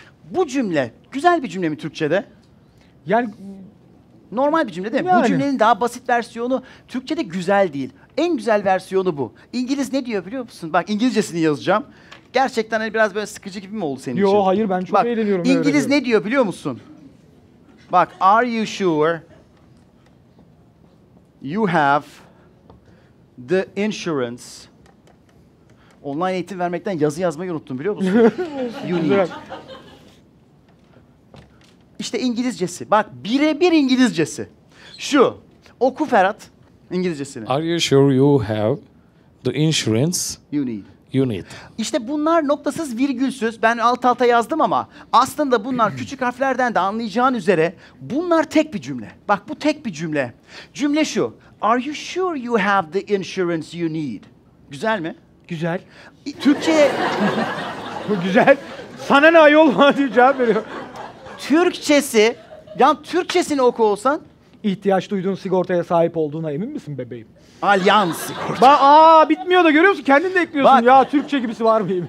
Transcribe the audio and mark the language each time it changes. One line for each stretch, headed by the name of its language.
Turkish: bu cümle güzel bir cümle mi Türkçe'de? Yani... normal bir cümle değil mi? Yani. Bu cümlenin daha basit versiyonu Türkçe'de güzel değil. En güzel versiyonu bu. İngiliz ne diyor biliyor musun? Bak İngilizcesini yazacağım. Gerçekten hani biraz böyle sıkıcı gibi mi oldu senin Yo, için? Yok hayır ben çok Bak, eğleniyorum. İngiliz ne diyor biliyor musun? Bak
English: are you sure you have the insurance?
Turkish: Online eğitim vermekten yazı yazmayı unuttum biliyor musun?
English: You need.
Turkish: İşte İngilizcesi. Bak birebir İngilizcesi. Şu. Oku Ferhat İngilizcesini.
English: Are you sure you have the insurance you need? You need.
Turkish: İşte bunlar noktasız virgülsüz. Ben alt alta yazdım ama aslında bunlar küçük harflerden de anlayacağın üzere bunlar tek bir cümle. Bak bu tek bir cümle. Cümle şu.
English: Are you sure you have the insurance you need?
Turkish: Güzel mi? Güzel. Türkçe Bu güzel. Sana ne ayol diye cevap veriyor. Türkçesi Ya Türkçesini oku olsan? İhtiyaç duyduğun sigortaya sahip olduğuna emin misin bebeğim? Allianz sigorta. Bitmiyor da görüyor musun? Kendin de ekliyorsun. Bak, ya Türkçe gibisi var mı?